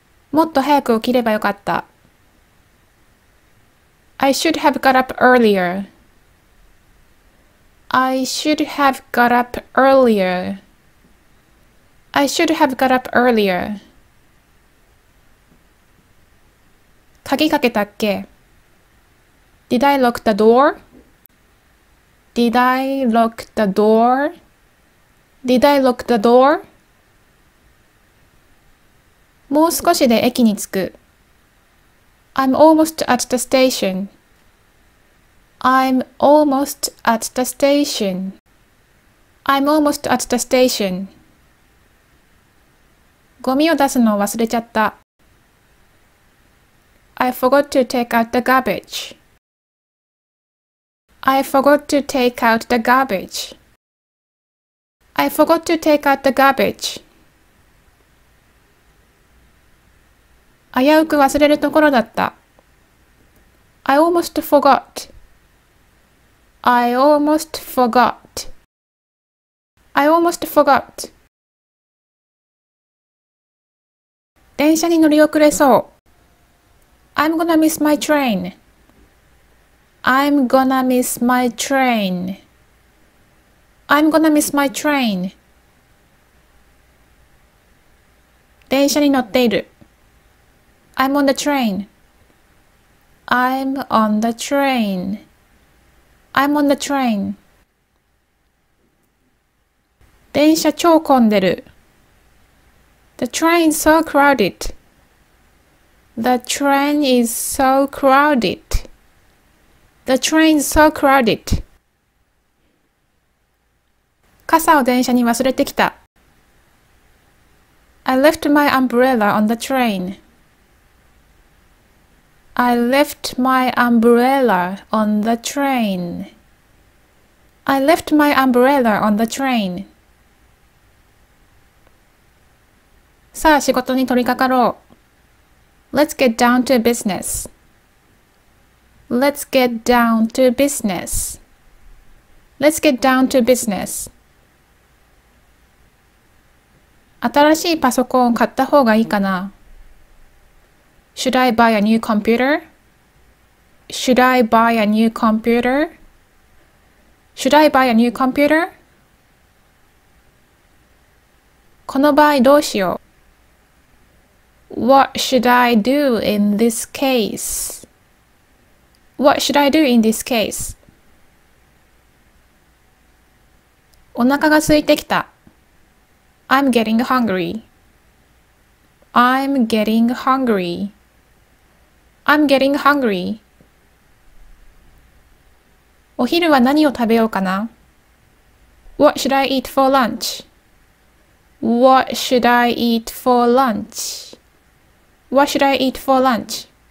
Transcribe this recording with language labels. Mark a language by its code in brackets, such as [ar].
[ja] もっと早く起きればよかった。 [en] I should have got up earlier. I should have got up earlier. I should have got up earlier. [ja] 鍵かけたっけ? [en] Did I lock the door? Did I lock the door? Did I lock the door? [ja] もう少しで駅に着く。 [en] I'm almost at the station. I'm almost at the station. I'm almost at the station. [ja] ゴミを出すのを忘れちゃった。 [en] I forgot to take out the garbage. I forgot to take out the garbage. I forgot to take out the garbage. [ja] 危うく忘れるところだった。 [en] I almost forgot. I almost forgot. I almost forgot. [ja] 電車に乗り遅れそう。 [en] I'm gonna miss my train. I'm gonna miss my train. I'm gonna miss my train. [ja] 電車に乗っている。 [en] I'm on the train. I'm on the train. I'm on the train. [ja] 電車超混んでる。 [en] The train is so crowded. The train is so crowded. The train is so crowded. [ja] 傘を電車に忘れてきた。 [en] I left my umbrella on the train. I left my umbrella on the train. I left my umbrella on the train. [ja] さあ仕事に取り掛かろう。 [en] Let's get down to business. Let's get down to business. Let's get down to business. [ja] 新しいパソコンを買った方がいいかな。 [en] Should I buy a new computer? Should I buy a new computer? Should I buy a new computer? [ja] この場合どうしよう。 [en] What should I do in this case? What should I do in this case? [ja] お腹が空いてきた。 [en] I'm getting hungry. I'm getting hungry. I'm getting hungry. [ja] お昼は何を食べようかな? [en] What should I eat for lunch? What should I eat for lunch? What should I eat for lunch?